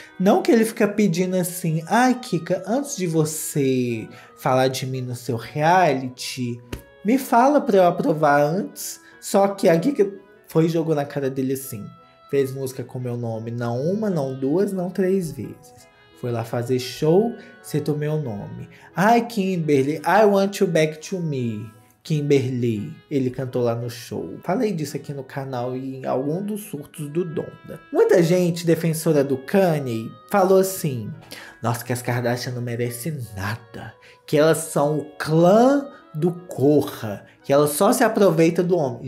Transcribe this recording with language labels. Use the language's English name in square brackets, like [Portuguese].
[Portuguese] Não que ele fica pedindo assim, ai, Kika, antes de você falar de mim no seu reality, me fala pra eu aprovar antes. Só que a Kika foi e jogou na cara dele assim. Fez música com meu nome, não uma, não duas, não três vezes. Foi lá fazer show, citou meu nome. [English] Ai, Kimberly, I want you back to me. [Portuguese] Kimberly, ele cantou lá no show. Falei disso aqui no canal e em algum dos surtos do Donda. Muita gente, defensora do Kanye, falou assim. Nossa, que as Kardashian não merecem nada. Que elas são o clã do Corra, que ela só se aproveita do homem.